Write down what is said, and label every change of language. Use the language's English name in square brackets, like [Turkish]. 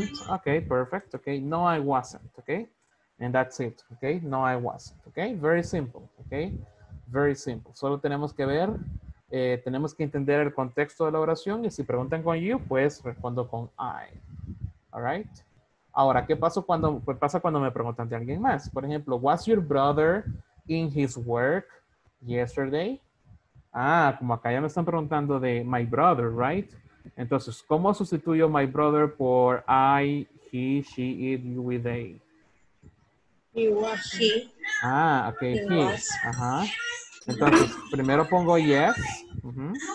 [English] Ok, perfect, ¿ok? No, I wasn't, ¿ok? And that's it, ¿ok? No, I wasn't, ¿ok? Very simple, ¿ok? Very simple. [Spanish] Solo tenemos que ver... tenemos que entender el contexto de la oración y si preguntan con you, pues respondo con I. Alright. Ahora, ¿qué pasa cuando, me preguntan de alguien más? Por ejemplo, [English] was your brother in his work yesterday? [Spanish] Ah, como acá ya me están preguntando de [English] my brother, right? [Spanish] Entonces, ¿cómo sustituyo [English] my brother [Spanish] por I, he, she, it, you, we, they? [English] He was he. [Spanish] Ah, ok, he. Ajá. Entonces, primero pongo yes, uh-huh.